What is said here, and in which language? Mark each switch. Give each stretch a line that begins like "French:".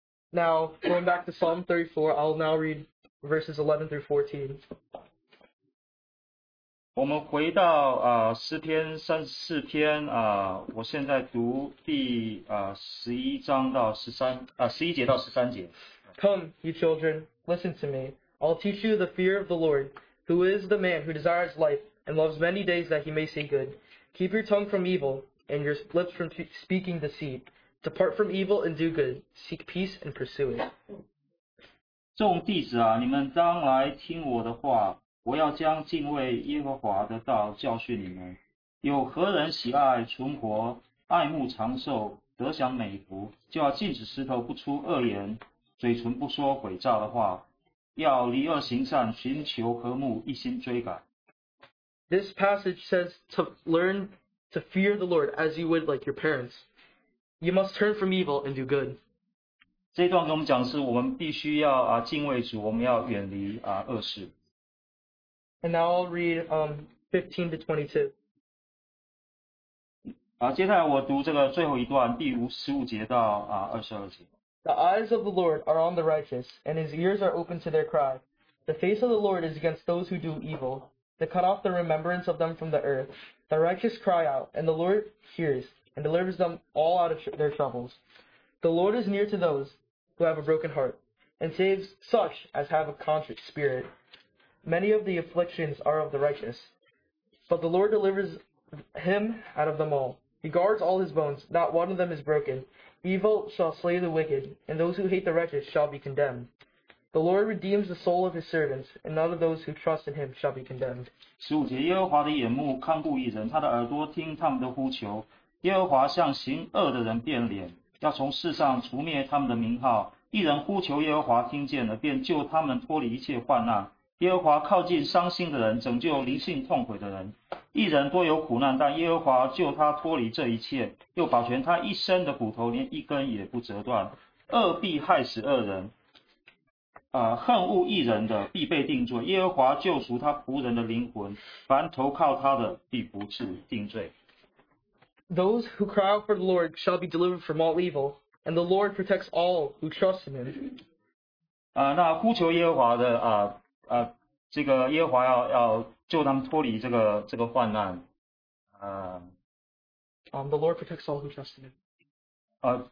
English: Now, going back to Psalm 34, I'll now read verses 11 through 14.
Chinese: 我们回到诗篇34篇我现在读第11节到13节。
English: Come, you children, listen to me. I'll teach you the fear of the Lord. Who is the man who desires life and loves many days that he may see good? Keep your tongue from evil and your lips from speaking deceit. Depart from evil and do good. Seek peace and pursue it.
Chinese: 众弟子啊，你们当来听我的话，我要将敬畏耶和华的道教训你们。有何人喜爱存活，爱慕长寿，得享美福，就要禁止舌头不出恶言，嘴唇不说诡诈的话，要离恶行善，寻求和睦，一心追改。
English: This passage says to learn to fear the Lord as you would like your parents. You must turn from evil and do good.
Chinese: 这一段跟我们讲的是我们必须要敬畏主，我们要远离恶事。
English: And now I'll read 15-22.
Chinese: 接下来我读这个最后一段第15节到22节。
English: The eyes of the Lord are on the righteous, and his ears are open to their cry. The face of the Lord is against those who do evil. They cut off the remembrance of them from the earth. The righteous cry out, and the Lord hears, and delivers them all out of their troubles. The Lord is near to those who have a broken heart, and saves such as have a contrite spirit. Many of the afflictions are of the righteous, but the Lord delivers him out of them all. He guards all his bones, not one of them is broken. Evil shall slay the wicked, and those who hate the righteous shall be condemned. The Lord redeems the soul of his servants, and none of those who trust in him shall be condemned.
Chinese: 十五节，耶和华的眼目看顾义人，他的耳朵听他们的呼求。耶和华向行恶的人变脸，要从世上除灭他们的名号。义人呼求耶和华，听见了，便救他们脱离一切患难。耶和华靠近伤心的人，拯救灵性痛悔的人。义人多有苦难，但耶和华救他脱离这一切，又保全他一身的骨头，连一根也不折断。恶必害死恶人。恨恶义人的必被定罪，耶和华救赎他仆人的灵魂，凡投靠他的必不致定罪。
English: Those who cry out for the Lord shall be delivered from all evil, and the Lord protects all who trust in him.
Chinese: 那呼求耶和华的这个耶和华要救他们脱离这个患难。
English: The Lord protects all who trust in him.